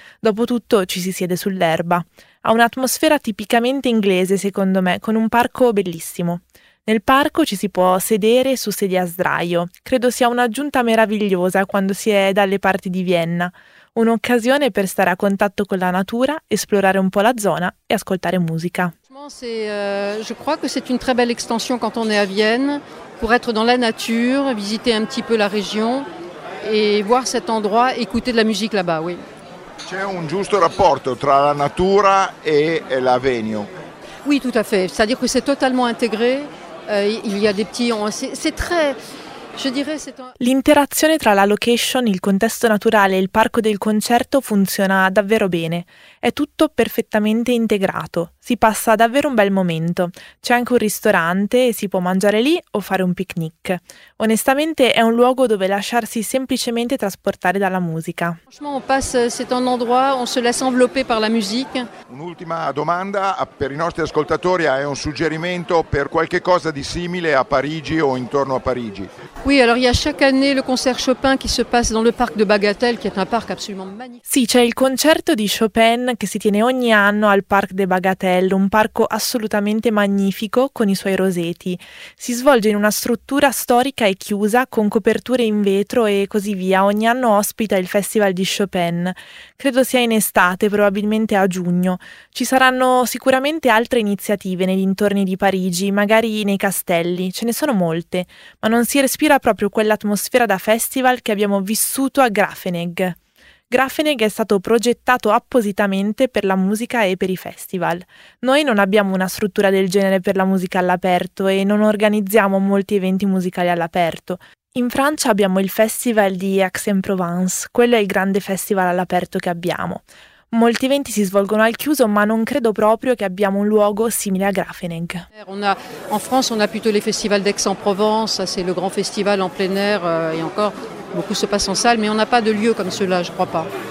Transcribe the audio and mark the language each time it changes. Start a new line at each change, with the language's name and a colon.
Italian: Dopotutto ci si siede sull'erba. Ha un'atmosfera tipicamente inglese, secondo me, con un parco bellissimo. Nel parco ci si può sedere su sedie a sdraio. Credo sia un'aggiunta meravigliosa quando si è dalle parti di Vienna. Un'occasione per stare a contatto con la natura, esplorare un po' la zona e ascoltare musica.
French: Je crois que c'est une très belle extension quand on est à Vienne pour être dans la nature, visiter un petit peu la région et voir cet endroit, écouter de la musique là-bas, oui.
Italian: C'è un giusto rapporto tra la natura e la venue.
French: Oui, tout à fait. C'est-à-dire que c'est totalement intégré. Il y a des petits c'est très.
Italian: L'interazione tra la location, il contesto naturale e il parco del concerto funziona davvero bene. È tutto perfettamente integrato. Si passa davvero un bel momento. C'è anche un ristorante e si può mangiare lì o fare un picnic. Onestamente è un luogo dove lasciarsi semplicemente trasportare dalla musica.
French: C'est un endroit, on se laisse envelopper par la musique.
Italian: Un'ultima domanda per i nostri ascoltatori, hai un suggerimento per qualche cosa di simile a Parigi o intorno a Parigi?
French: Oui, alors il y a chaque année le concert Chopin qui se passe dans le parc de Bagatelle, qui est un parc absolument magnifique.
Italian: Sì, c'è il concerto di Chopin che si tiene ogni anno al Parc de Bagatelle, un parco assolutamente magnifico con i suoi roseti. Si svolge in una struttura storica e chiusa, con coperture in vetro e così via. Ogni anno ospita il Festival di Chopin. Credo sia in estate, probabilmente a giugno. Ci saranno sicuramente altre iniziative nei dintorni di Parigi, magari nei castelli. Ce ne sono molte, ma non si respira proprio quell'atmosfera da festival che abbiamo vissuto a Grafenegg. Grafenegg è stato progettato appositamente per la musica e per i festival. Noi non abbiamo una struttura del genere per la musica all'aperto e non organizziamo molti eventi musicali all'aperto. In Francia abbiamo il Festival di Aix-en-Provence, quello è il grande festival all'aperto che abbiamo. Molti eventi si svolgono al chiuso, ma non credo proprio che abbiamo un luogo simile a Grafenegg.
French: In Francia on a plutôt les festivals d'Aix-en-Provence, c'est le grand festival en plein air et encore beaucoup se passe en salle, mais on n'a pas de lieu comme cela, je crois pas.